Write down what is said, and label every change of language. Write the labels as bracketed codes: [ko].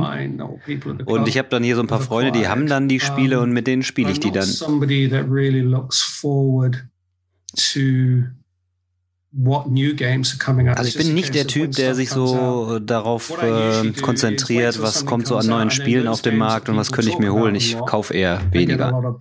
[de] Und ich habe dann hier so ein paar Freunde, die haben dann die Spiele und mit denen spiele ich die dann. [en] Somebody that really looks forward to what new games are coming out. [de] Also ich bin nicht der Typ, der sich so darauf konzentriert, was kommt so an neuen Spielen auf dem Markt und was könnte ich mir holen. Ich kaufe eher weniger.